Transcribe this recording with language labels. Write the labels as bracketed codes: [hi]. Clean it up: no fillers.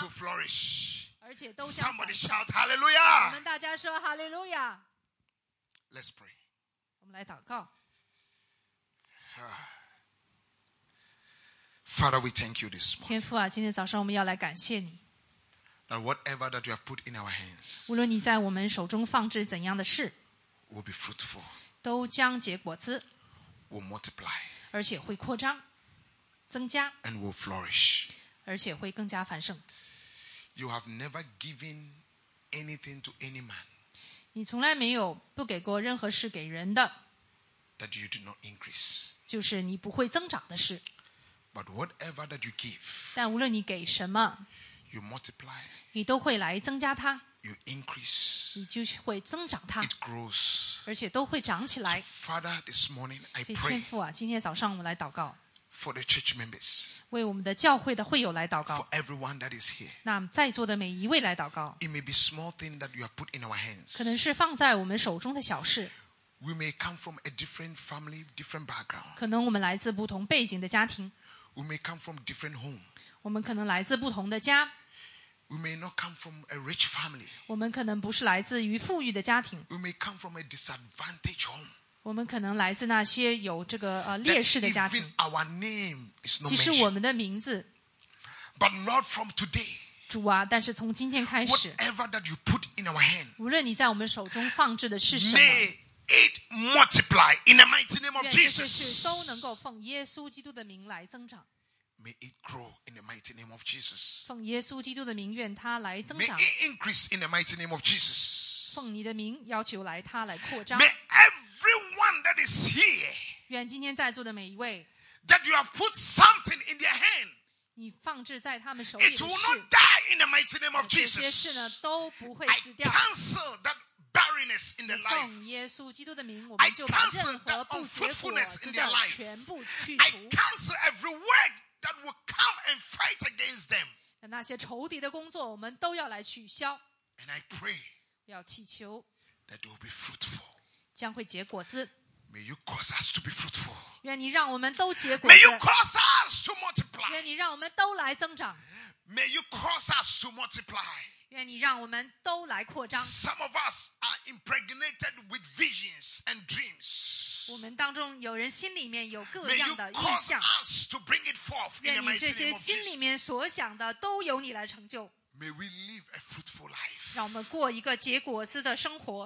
[en] It will flourish. [zh] 而且都将 [en] Somebody shout hallelujah. [zh] 我们大家说 hallelujah. [en] Let's pray. [zh] 我们来祷告 [en] Father we thank you this morning. [zh] 天父啊今天早上我们要来感谢你 [en] That whatever that you have put in our hands [zh] 无论你在我们手中放置怎样的事 [en] will be fruitful. [zh] 都将结果子 [en] will multiply, [zh] 而且会扩张增加 [en] and will flourish. [zh] 而且会更加繁盛 [en] You have never given anything to any man [zh] 你从来没有不给过任何事给人的 [en] that you did not increase [zh] 就是你不会增长的事 [en] but whatever that you give [zh] 但无论你给什么 [en] you multiply [zh] 你都会来增加它 [en] You increase, [zh] 你就会增长它 [en] it grows. [zh] 而且都会长起来 [en] so, Father, this morning, I pray [zh] 所以天父啊今天早上我们来祷告 [en] for the church members, [zh] 为我们的教会的会友来祷告 [en] for everyone that is here, [zh] 那在座的每一位来祷告 [en] it may be small thing that you have put in our hands, [zh] 可能是放在我们手中的小事 [en] we may come from a different family, different background, [zh] 可能我们来自不同背景的家庭 [en] we may come from different home, [zh] 我们可能来自不同的家 [en] We may not come from a rich family. [zh] 我们可能不是来自于富裕的家庭。 [en] We may come from a disadvantaged home. [zh] 我们可能来自那些有这个劣势的家庭。 [en] That even our name is not mentioned. [zh] 其实我们的名字。 [en] But not from today. [zh] 主啊，但是从今天开始。 [en] Whatever that you put in our hand. [zh] 无论你在我们手中放置的是什么。 [en] May it multiply in the mighty name of Jesus. [zh] 愿这些事都能够奉耶稣基督的名来增长。 [en] May it grow in the mighty name of Jesus. [zh] 奉耶稣基督的名，愿它来增长。 [en] May it increase in the mighty name of Jesus. [zh] 奉你的名，要求来它来扩张。 [en] May everyone that is here. [zh] 愿今天在座的每一位。 [en] That you have put something in their hand. [zh] 你放置在他们手里的事。 [en] It will not die in the mighty name of Jesus. [zh] 这些事呢都不会死掉。 [en] I cancel that barrenness in their life. [zh] 奉耶稣基督的名，我们就把任何不结果的事全部去除。 [en] I cancel every word. That will come and fight against them. [zh] 那些仇敌的工作，我们都要来取消。 [en] And I pray, [zh] 要祈求 [en] that they will be fruitful. [zh] 将会结果子。 [en] May you cause us to be fruitful. [zh] 愿你让我们都结果子。 [en] May you cause us to multiply. [zh] 愿你让我们都来增长。 [en] May you cause us to multiply. [zh] 愿你让我们都来扩张。 [en] Some of us are impregnated with visions and dreams. [zh] 我们当中有人心里面有各样的意象，愿你这些心里面所想的都由你来成就。 [en] May we live a fruitful life. [zh] 让我们过一个结果子的生活。